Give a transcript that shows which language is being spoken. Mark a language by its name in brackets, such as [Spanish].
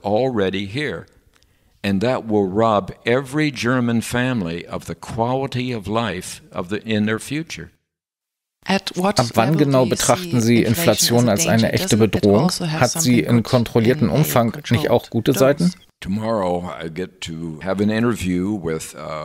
[English] Already here, and that will rob every German family of the quality of life of the in their future. [German] Ab wann genau betrachten Sie Inflation als eine echte Bedrohung? Hat sie in kontrolliertem Umfang nicht auch gute Seiten? [English] Tomorrow I get to have an interview with